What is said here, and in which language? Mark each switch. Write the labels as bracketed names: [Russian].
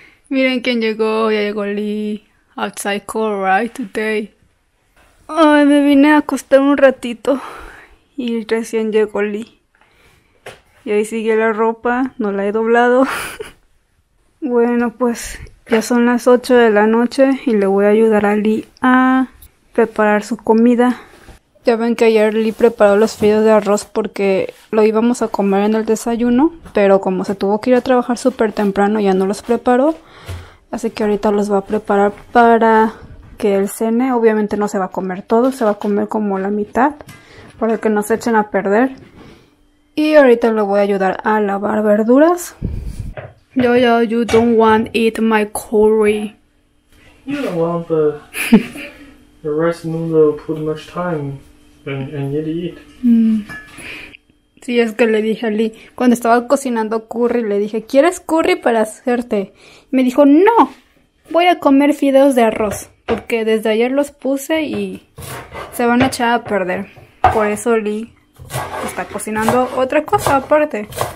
[Spanish] Miren quién llegó, ya llegó Lee. [English] Outside cold, right today. [Spanish] Ay, me vine a acostar un ratito y recién llegó Lee. Y ahí sigue la ropa, no la he doblado. Bueno, pues. Ya son las 8 de la noche y le voy a ayudar a Lee a preparar su comida. Ya ven que ayer Lee preparó los fideos de arroz porque lo íbamos a comer en el desayuno, pero como se tuvo que ir a trabajar súper temprano ya no los preparó. Así que ahorita los va a preparar para que él cene. Obviamente no se va a comer todo, se va a comer como la mitad para que no se echen a perder. Y ahorita le voy a ayudar a lavar verduras. [English] Yo, you don't want eat my curry. You don't want the rice noodle put much time and yet eat. [Spanish] Sí, es que le dije a Lee, cuando estaba cocinando curry, le dije, ¿quieres curry para hacerte? Y me dijo, no, voy a comer fideos de arroz, porque desde ayer los puse y se van a echar a perder. Por eso Lee está cocinando otra cosa aparte.